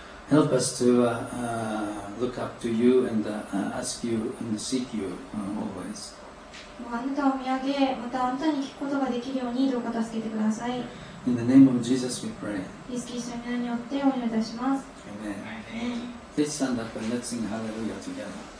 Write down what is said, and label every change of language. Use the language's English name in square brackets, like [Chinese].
[English] Help us to look up to you and ask you and seek you always. [Japanese] あなたを見上げ、またあなたに聞くことができるようにどうか助けてください。 [English] In the name of Jesus we pray. [Japanese] イエス・キリストの名によってお祈りいたします。 [English] Amen. Please stand up and let's sing Hallelujah together.